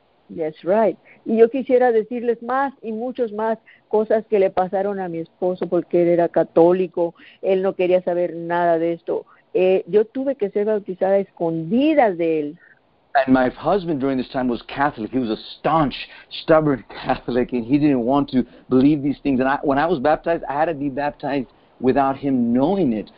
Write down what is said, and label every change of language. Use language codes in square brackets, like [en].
[en] That's right. [es] Y yo quisiera decirles más y muchos más cosas que le pasaron a mi esposo porque él era católico, él no quería saber nada de esto. Yo tuve que ser bautizada a escondidas de él. [en] And my husband during this time was Catholic. He was a staunch, stubborn Catholic, and he didn't want to believe these things. And when I was baptized, I had to be baptized without him knowing it.